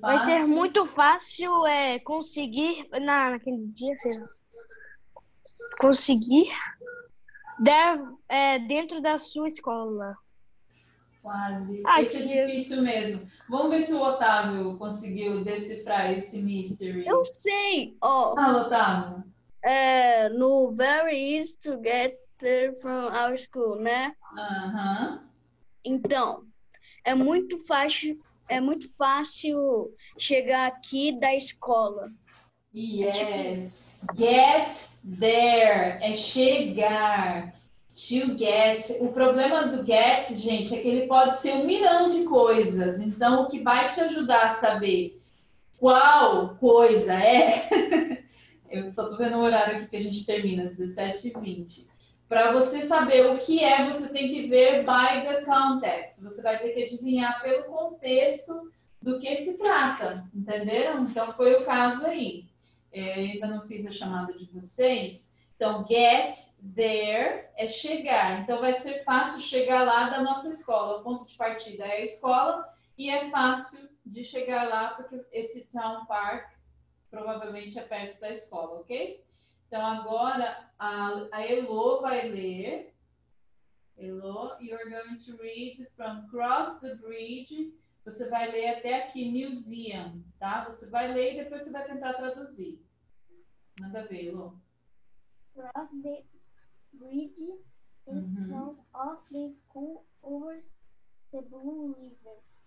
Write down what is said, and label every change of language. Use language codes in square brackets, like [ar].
[pt] Vai ser muito fácil conseguir. Naquele dia, sei lá. Conseguir. Dentro da sua escola. Quase. Ai, esse é difícil mesmo. Vamos ver se o Otávio conseguiu decifrar esse mystery. Eu sei. Oh. Fala, Otávio. [en] No very easy to get there from our school, né? Uh-huh. [pt] Então, é muito fácil chegar aqui da escola. [en] Yes. [pt] É tipo... [en] Get there. [pt] É chegar. [en] To get. [pt] O problema do get, gente, é que ele pode ser um milhão de coisas. Então, o que vai te ajudar a saber qual coisa é... Eu só tô vendo o horário aqui que a gente termina, 17h20. Para você saber o que é, você tem que ver [en] by the context. [pt] Você vai ter que adivinhar pelo contexto do que se trata. Entenderam? Então, foi o caso aí. Eu ainda não fiz a chamada de vocês... Então, get there é chegar. Então, vai ser fácil chegar lá da nossa escola. O ponto de partida é a escola. E é fácil de chegar lá, porque esse town park provavelmente é perto da escola, ok? Então, agora a Elo vai ler. [en] Elo, you're going to read from cross the bridge. [pt] Você vai ler até aqui, museum, tá? Você vai ler e depois você vai tentar traduzir. Manda ver, Elo. [en] Cross the bridge in front of the school over the blue river.